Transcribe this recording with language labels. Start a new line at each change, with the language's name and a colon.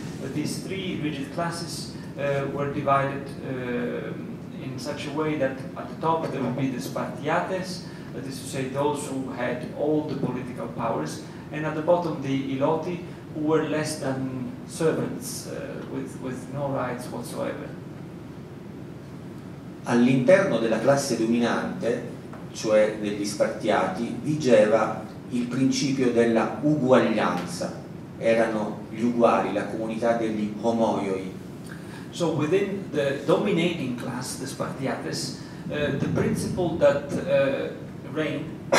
English: But these three rigid classes were divided in such a way that at the top there would be the Spartiates, that is to say those who had all the political powers, and at the bottom the Iloti, who were less than servants, with no rights whatsoever.
Italian: All'interno della classe dominante, cioè degli Spartiati, vigeva il principio della uguaglianza. Erano gli uguali, la comunità degli homoioi.
English: So within the dominating class, the Spartiates, the principle that reigned